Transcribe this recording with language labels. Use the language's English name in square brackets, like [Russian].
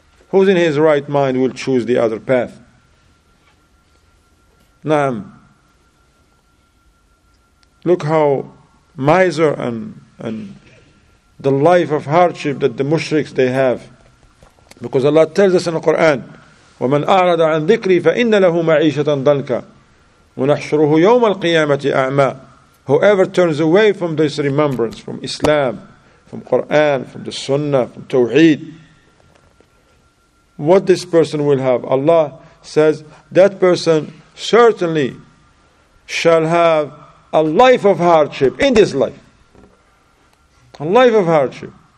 [English] Who's in his right mind will choose the other path? [Arabic] Naam. [English] Look how miser and the life of hardship that the mushriks they have. Because Allah tells us in the Quran, [Arabic] وَمَنْ أَعْرَضَ عَنْ ذِكْرِي فَإِنَّ لَهُ مَعِيشَةً ضَنْكًا وَنَحْشُرُهُ يَوْمَ الْقِيَامَةِ أَعْمَى. [English] Whoever turns away from this remembrance, from Islam, from Quran, from the Sunnah, from Tawheed, what this person will have? Allah says, that person certainly shall have a life of hardship in this life. A life of hardship.